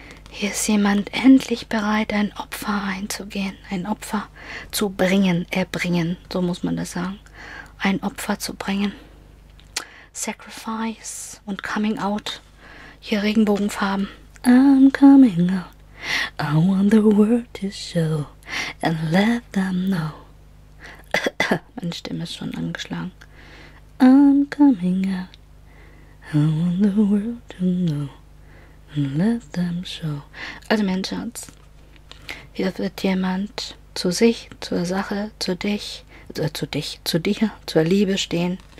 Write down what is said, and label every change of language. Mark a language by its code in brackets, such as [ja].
[de] Hier ist jemand endlich bereit, ein Opfer einzugehen. Ein Opfer zu bringen, erbringen, so muss man das sagen. Ein Opfer zu bringen. Sacrifice und Coming Out. Hier Regenbogenfarben. [en] I'm coming out. I want the world to show and let them know. [de] Meine Stimme ist schon angeschlagen. [en] I'm coming out. I want the world to know and let them show. [de] Also mein Schatz, hier wird jemand zu sich, zur Sache, zu dich, zu dich, zu dir, zur Liebe stehen.